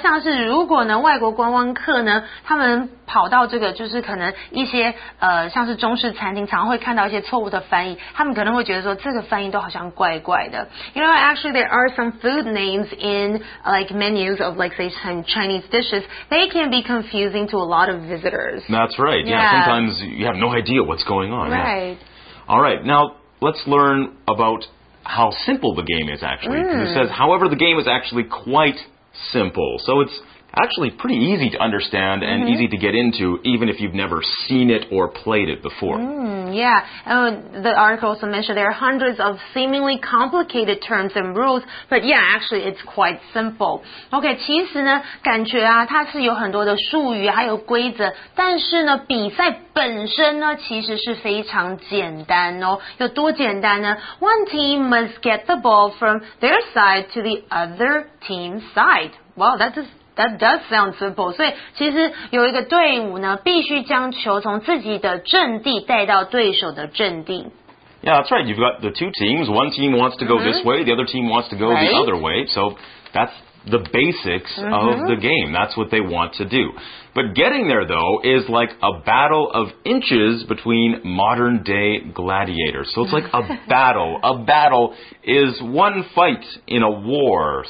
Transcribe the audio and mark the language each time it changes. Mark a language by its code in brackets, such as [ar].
[zh] 像是如果呢，外国观光客呢，他们跑到这个就是可能一些像是中式餐厅常常会看到一些错误的翻译，他们可能会觉得说这个翻译都好像怪怪的。 [en] You know, actually there are some food names in like menus of like say Chinese dishes, they can be confusing to a lot of visitors. That's right. Yeah, sometimes you have no idea what's going on. Right. Yeah. All right, now let's learn about how simple the game is actually. Because it says, however, the game is actually quite simple. So it'sactually pretty easy to understand and easy to get into, even if you've never seen it or played it before. The article also mentioned there are hundreds of seemingly complicated terms and rules, but yeah, actually it's quite simple. [zh] Okay, 其实呢感觉啊它是有很多的术语还有规则，但是呢比赛本身呢其实是非常简单哦。有多简单呢？ [en] One team must get the ball from their side to the other team's side. Well, That does sound simple. [zh] 所以其实有一个队伍呢必须将球从自己的阵地带到对手的阵地。 [en] Yeah, that's right. You've got the two teams. One team wants to go this way. The other team wants to go the other way. So that's the basics of the game. That's what they want to do. But getting there, though, is like a battle of inches between modern day gladiators. So it's like a battle. A battle is one fight in a war.